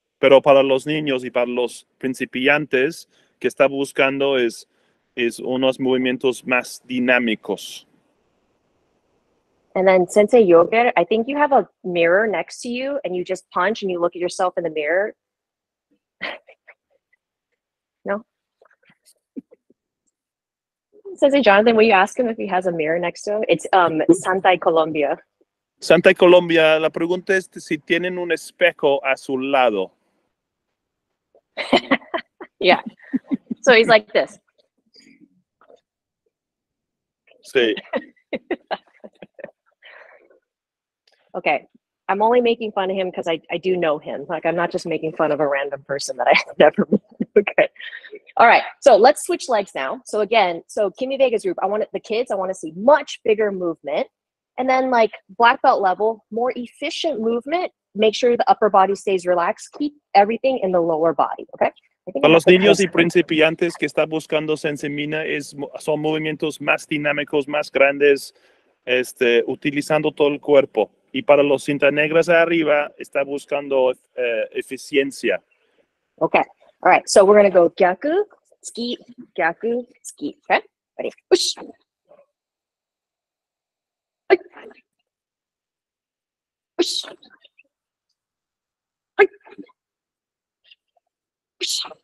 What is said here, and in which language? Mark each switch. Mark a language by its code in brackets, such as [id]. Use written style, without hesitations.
[es] Pero para los niños y para los principiantes que está buscando es unos movimientos más dinámicos. [en] And then Sensei Yoger, I think you have a mirror next to you and you just punch and you look at yourself in the mirror. No? Sensei Jonathan, will you ask him if he has a mirror next to him? It's Santay Colombia. [es] Santay Colombia, la pregunta es si tienen un espejo a su lado. [en] Yeah. So he's like this. [es] Sí. [en] Okay, I'm only making fun of him because I do know him. Like, I'm not just making fun of a random person that I have never met. Okay. All right, so let's switch legs now. So again, so Kimi Vega's group, I want to see much bigger movement. And then like black belt level, more efficient movement. Make sure the upper body stays relaxed. Keep everything in the lower body, okay? [es] Para los niños y principiantes que está buscando Sensei Mina, son movimientos más dinámicos, más grandes, utilizando todo el cuerpo. Y para los cinta negras arriba, está buscando eficiencia. [en] Okay. All right. So we're going to go gyaku, ski, gyaku, ski. Okay. Ready? Push. Push. Push. Push.